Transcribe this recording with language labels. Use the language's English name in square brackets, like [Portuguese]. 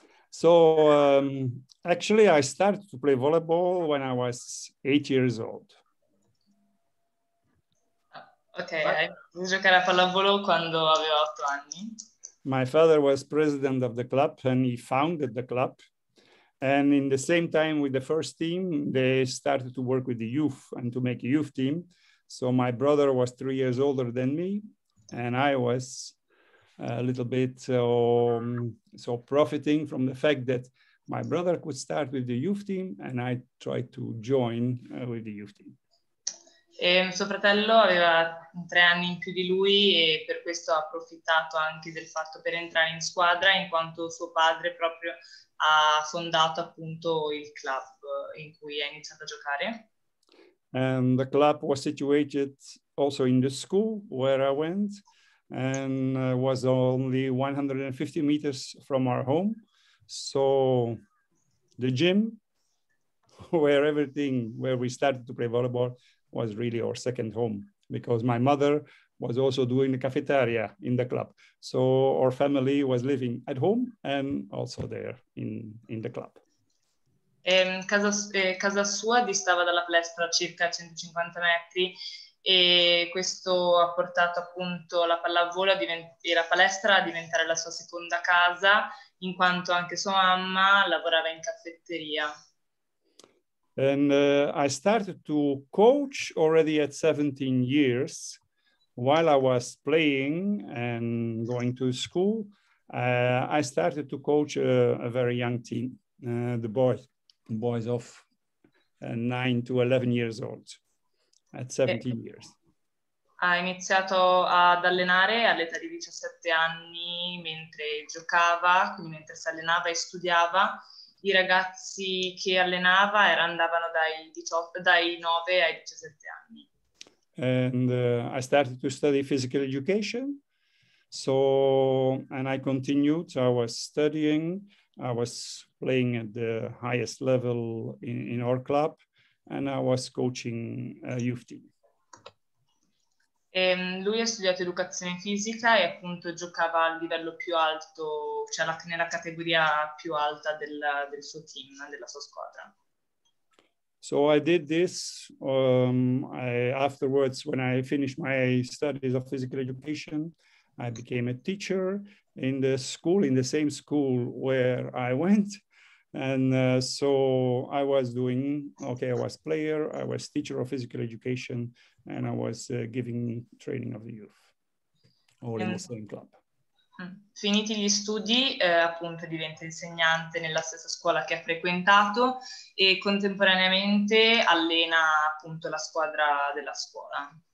[English] So, actually, I started to play volleyball when I was 8 years old. [Italian] Ok, hai iniziato a giocare a pallavolo quando avevo 8 anni. [English] My father was president of the club and he founded the club. And in the same time with the first team, they started to work with the youth and to make a youth team. So my brother was 3 years older than me, and I was a little bit so profiting from the fact that my brother could start with the youth team and I tried to join with the youth team. [Italian] E suo fratello aveva 3 anni in più di lui e per questo ha approfittato anche del fatto per entrare in squadra, in quanto suo padre proprio ha fondato appunto il club in cui ha iniziato a giocare. [English] And the club was situated also in the school where I went and was only 150 meters from our home. So the gym, where everything, where we started to play volleyball, was really our second home because my mother was also doing the cafeteria in the club. So our family was living at home and also there in the club. [Italian] Casa sua distava dalla palestra circa 150 metri e questo ha portato appunto la pallavolo e la palestra a diventare la sua seconda casa, in quanto anche sua mamma lavorava in caffetteria. [English] And I started to coach already at 17 years while I was playing and going to school. I started to coach a very young team, the boys of 9 to 11 years old at 17 years. [Italian] Ha iniziato ad allenare all'età di 17 anni mentre giocava, quindi mentre si allenava e studiava. I ragazzi che allenava andavano dai 9 ai 17 anni. [English] And I started to study physical education. So, and I continued. I was studying, I was playing at the highest level in our club, and I was coaching a youth team. [Italian] Lui ha studiato educazione fisica e appunto giocava a livello più alto, cioè nella categoria più alta del suo team, della sua squadra. [English] So I did this afterwards when I finished my studies of physical education. I became a teacher in the school, in the same school where I went. And so I was doing, okay, I was player, I was teacher of physical education, and I was giving training of the youth, all in the same club. [Italian] Finiti gli studi, appunto diventa insegnante nella stessa scuola che ha frequentato e contemporaneamente allena appunto la squadra della scuola.